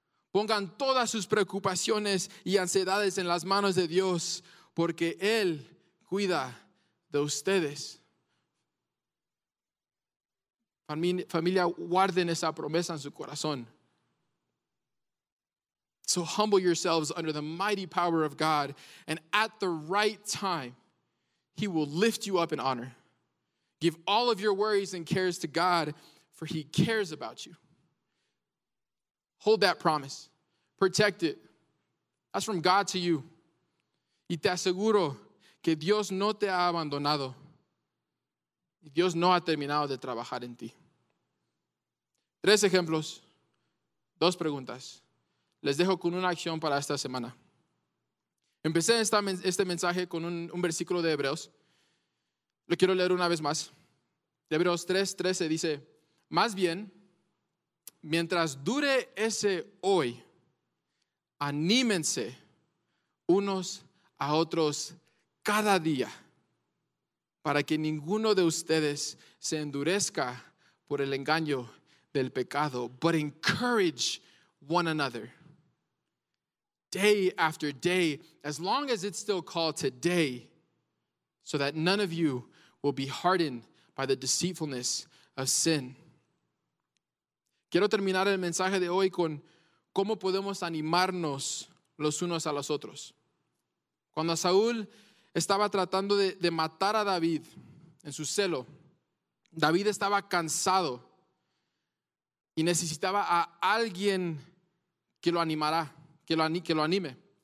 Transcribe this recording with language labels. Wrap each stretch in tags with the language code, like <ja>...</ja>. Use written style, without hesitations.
<es>Pongan todas sus preocupaciones y ansiedades en las manos de Dios, porque Él cuida de ustedes. Familia, guarden esa promesa en su corazón.</es> <en>So humble yourselves under the mighty power of God, and at the right time, He will lift you up in honor. Give all of your worries and cares to God, for He cares about you. Hold that promise. Protect it. That's from God to you.</en> <es>Y te aseguro que Dios no te ha abandonado. Y Dios no ha terminado de trabajar en ti. Tres ejemplos, dos preguntas. Les dejo con una acción para esta semana. Empecé este mensaje con un versículo de Hebreos. Lo quiero leer una vez más. De Hebreos 3:13 dice, más bien, mientras dure ese hoy, anímense unos a otros cada día para que ninguno de ustedes se endurezca por el engaño del pecado.</es> <en>But encourage one another day after day, as long as it's still called today, so that none of you will be hardened by the deceitfulness of sin.</en> <es>Quiero terminar el mensaje de hoy con cómo podemos animarnos los unos a los otros. Cuando Saúl estaba tratando de matar a David en su celo, David estaba cansado y necesitaba a alguien que lo animara, que lo anime.</es>